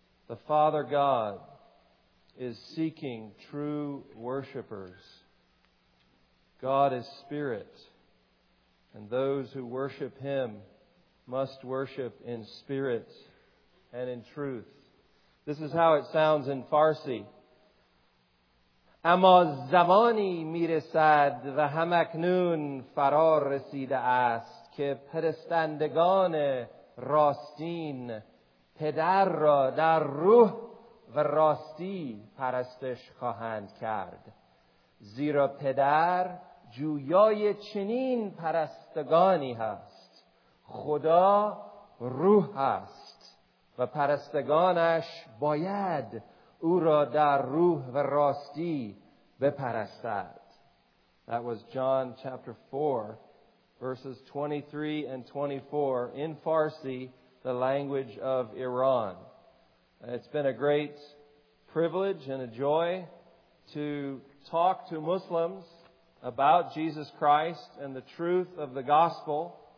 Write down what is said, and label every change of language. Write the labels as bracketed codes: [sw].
[en] The Father God is seeking true worshipers. God is spirit, and those who worship Him must worship in spirit and in truth. This is how it sounds in Farsi. [fa] اما زمانی میرسد و همکنون فرا رسیده است که پرستندگان راستین پدر را در روح و راستی پرستش خواهند کرد. زیرا پدر جویای چنین پرستگانی هست. خدا روح هست و پرستگانش باید او را در روح و راستی بپرستد. [en] That was John chapter 4, verses 23 and 24 in Farsi, the language of Iran. It's been a great privilege and a joy to talk to Muslims about Jesus Christ and the truth of the gospel.